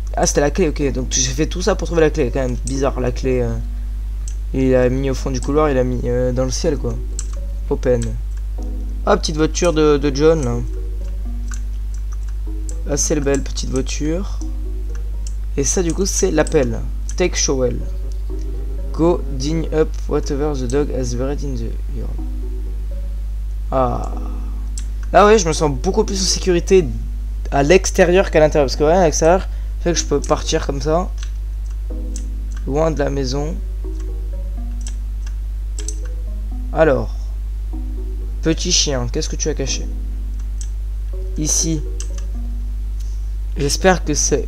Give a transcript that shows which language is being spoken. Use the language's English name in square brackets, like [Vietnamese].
[French] Ah c'était la clé, ok, donc j'ai fait tout ça pour trouver la clé, quand même bizarre la clé. Il l'a mis au fond du couloir, il l'a mis dans le ciel quoi. Open. Ah petite voiture de John là. Assez belle petite voiture. Et ça, du coup, c'est l'appel. [English] Take Shovel. Go dig up whatever the dog has buried in the urn. Ah. [French] Ah ouais, je me sens beaucoup plus en sécurité à l'extérieur qu'à l'intérieur. Parce que ouais, à l'extérieur, fait que je peux partir comme ça. Loin de la maison. Alors. Petit chien, qu'est-ce que tu as caché? Ici. J'espère que c'est...